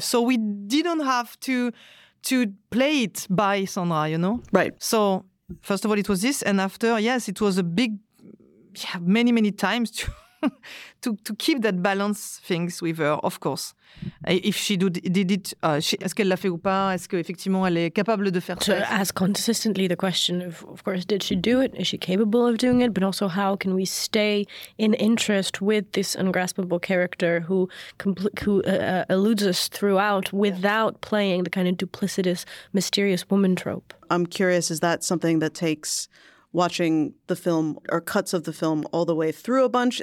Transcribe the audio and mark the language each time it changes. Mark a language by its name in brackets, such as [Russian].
[English] So we didn't have to play it by Sandra, you know? Right. So first of all, it was this. And after, yes, it was a big, many, many times to keep that balance things with her, of course. If she did it, [French] est-ce qu'elle l'a fait ou pas? Est-ce qu'effectivement elle est capable de faire ça? [English] To ask consistently the question of course, did she do it? Is she capable of doing it? But also, how can we stay in interest with this ungraspable character who eludes us throughout without playing the kind of duplicitous, mysterious woman trope? I'm curious, is that something that takes watching the film or cuts of the film all the way through a bunch?